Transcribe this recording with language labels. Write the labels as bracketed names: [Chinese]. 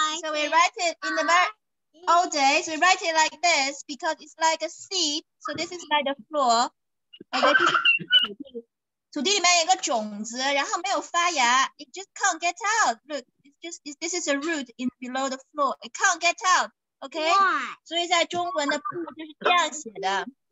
[English] So we write it in the old days. We write it like this because it's like a seed. So this is like the floor. Okay. [Chinese] 土地里面有个种子，然后没有发芽. [English] It just can't get out. Look, this is a root in below the floor. It can't get out. Okay. Why? [Chinese] 所以在中文的"不"就是这样写的。